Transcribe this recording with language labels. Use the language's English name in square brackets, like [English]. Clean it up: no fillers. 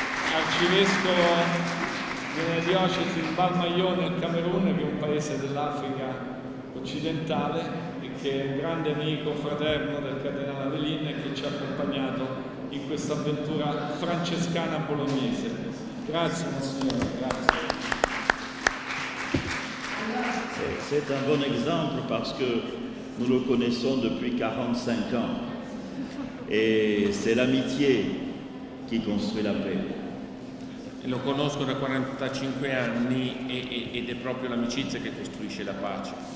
[Italian] Arcivescovo della diocesi di Balmaione al Camerun, che è un paese dell'Africa occidentale, e che è un grande amico fraterno del cardinale Avelin, che ci ha accompagnato in questa avventura francescana bolognese. Grazie, Monsignore. Grazie. [French] C'est un bon exemple parce que nous le connaissons depuis 45 ans et c'est l'amitié qui construit la paix. [Italian] Lo conosco da 45 anni ed è proprio l'amicizia che costruisce la pace.